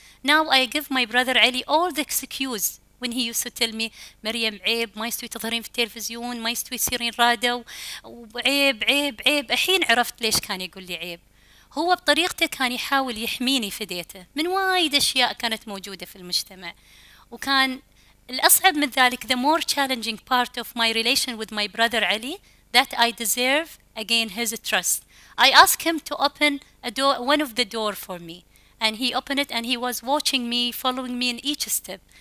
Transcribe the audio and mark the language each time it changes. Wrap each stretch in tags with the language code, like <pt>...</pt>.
<en>Now I give my brother Ali all the excuse when he used to tell me, Maryam,</en> <ar>عيب, ما يستوي تظهرين في التلفزيون, ما يستوي تصيرين راديو, عيب, عيب, عيب. الحين عرفت ليش كان يقول لي عيب. هو بطريقته كان يحاول يحميني في ديته من وايد أشياء كانت موجودة في المجتمع. وكان الأصعب من ذلك,</ar> <en>the more challenging part of my relation with my brother Ali, that I deserve again his trust. I asked him to open a door, one of the door for me, and he opened it and he was watching me, following me in each step.</en>